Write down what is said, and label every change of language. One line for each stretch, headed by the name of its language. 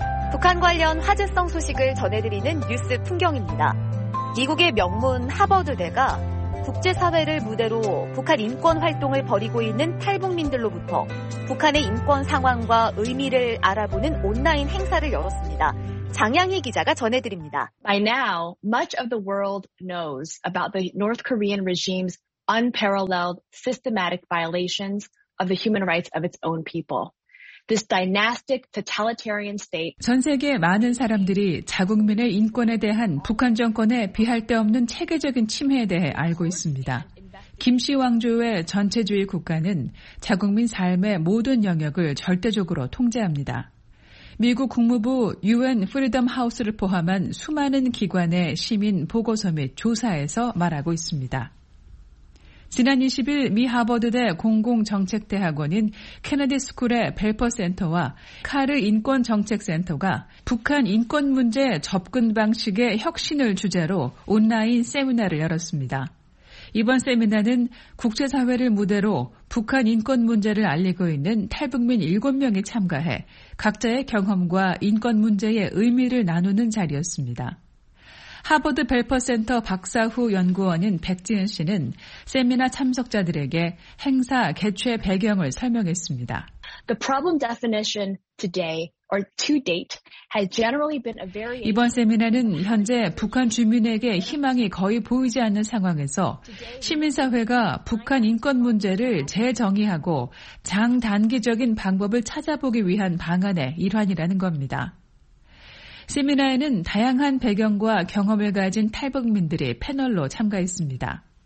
Korean: 북한 관련 화제성 소식을 전해드리는 뉴스 풍경입니다. 미국의 명문 하버드대가 국제사회를 무대로 북한 인권 활동을 벌이고 있는 탈북민들로부터 북한의 인권 상황과 의미를 알아보는 온라인 행사를 열었습니다. 장양희 기자가 전해드립니다.
English: By now, much of the world knows about the North Korean regime's unparalleled systematic violations of the human rights of its own people. This dynastic totalitarian state.
Korean: 전 세계 많은 사람들이 자국민의 인권에 대한 북한 정권의 비할 데 없는 체계적인 침해에 대해 알고 있습니다. 김씨 왕조의 전체주의 국가는 자국민 삶의 모든 영역을 절대적으로 통제합니다. 미국 국무부 UN 프리덤 하우스를 포함한 수많은 기관의 시민 보고서 및 조사에서 말하고 있습니다. 지난 20일 미 하버드대 공공정책대학원인 케네디 스쿨의 벨퍼센터와 카르 인권정책센터가 북한 인권 문제 접근 방식의 혁신을 주제로 온라인 세미나를 열었습니다. 이번 세미나는 국제사회를 무대로 북한 인권 문제를 알리고 있는 탈북민 7명이 참가해 각자의 경험과 인권 문제의 의미를 나누는 자리였습니다. 하버드 벨퍼센터 박사 후 연구원인 백지은 씨는 세미나 참석자들에게 행사 개최 배경을 설명했습니다.
English: The problem definition today or to date has generally been a very
Korean: 이번 세미나는 현재 북한 주민에게 희망이 거의 보이지 않는 상황에서 시민사회가 북한 인권 문제를 재정의하고 장단기적인 방법을 찾아보기 위한 방안의 일환이라는 겁니다. 세미나에는 다양한 배경과 경험을 가진 탈북민들이 패널로 참가했습니다.